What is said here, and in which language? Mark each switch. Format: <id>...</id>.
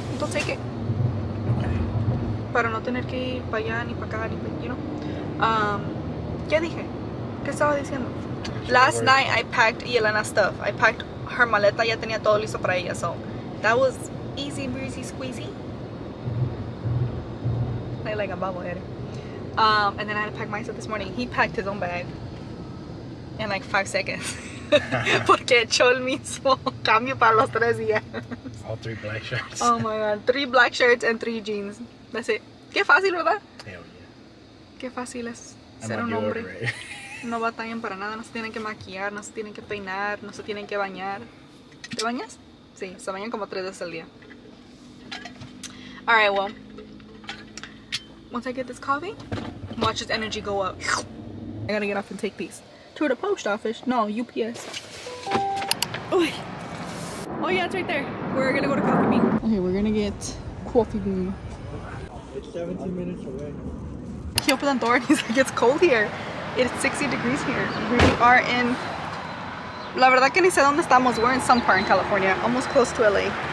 <en>So don't take it.</en> <es>Para no tener que ir para allá ni para acá ni para,</es> <en>you know.</en> <es>¿Qué dije? ¿Qué estaba diciendo?</es> <en>Last night I packed Yelena's stuff. I packed her maleta,</en> <es>ya tenía todo listo para ella,</es> <en>so that was easy breezy squeezy. Play like a bobblehead. And then I had to pack my stuff this morning. He packed his own bag in like 5 seconds.</en> <es>Porque echó el mismo cambio para los 3 días.</es> <en>All 3 black shirts. Oh my god, 3 black shirts and 3 jeans. That's it.</en> <es>Qué fácil, ¿verdad?</es> <en>Hell yeah.</en> <es>Qué fácil es ser un hombre. No batallan para nada, no se tienen que maquillar, no se tienen que peinar, no se tienen que bañar. ¿Te bañas? Sí, se bañan como 3 veces al día.</es> <en>Alright, well. Once I get this coffee, watch this energy go up. I gotta get off and take these. To the post office. No, UPS. Uy. Oh yeah, it's right there. We're gonna go to Coffee Bean. Okay, we're gonna get Coffee Bean. It's 17 minutes away. He opened the door and he's like, it's cold here. It's 60 degrees here. We are in,</en> <es>la verdad que ni sé dónde estamos.</es> <en>We're in some part in California, almost close to LA.</en>